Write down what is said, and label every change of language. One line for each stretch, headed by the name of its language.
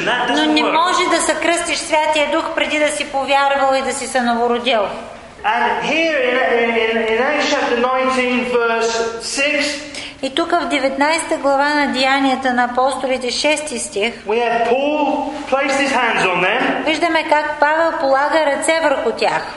Bulgarian: Но не може да се кръстиш Святия Дух преди да си повярвал и да си се новородил.
English: And here in Acts chapter 19 verse 6.
Bulgarian: И тук в 19-та глава на Деянията на апостолите 6 стих.
English: We have Paul placed his hands on them.
Bulgarian: Виждаме как Павел полага ръце върху тях.